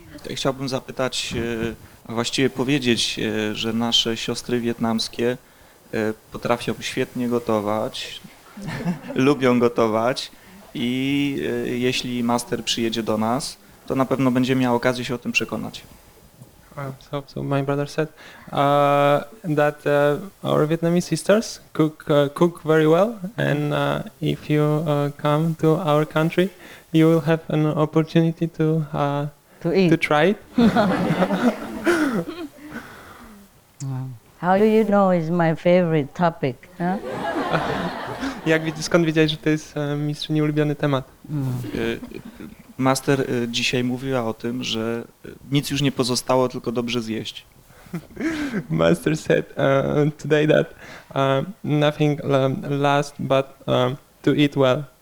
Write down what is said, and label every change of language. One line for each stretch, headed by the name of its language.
Polish: Chciałbym zapytać, a właściwie powiedzieć, że nasze siostry wietnamskie potrafią świetnie gotować. Lubią gotować i jeśli master przyjedzie do nas, to na pewno będzie miał okazję się o tym przekonać.
English: So my brother said that our Vietnamese sisters cook very well, and if you come to our country, you will have an opportunity to eat, to try it. How do you know it's my favorite topic? Huh?
Polish: Jak widzisz, skąd wiedziałeś, że to jest mistrzyni ulubiony temat? Master dzisiaj mówiła o tym, że nic już nie pozostało, tylko dobrze zjeść.
English: Master said today that nothing last but to eat well.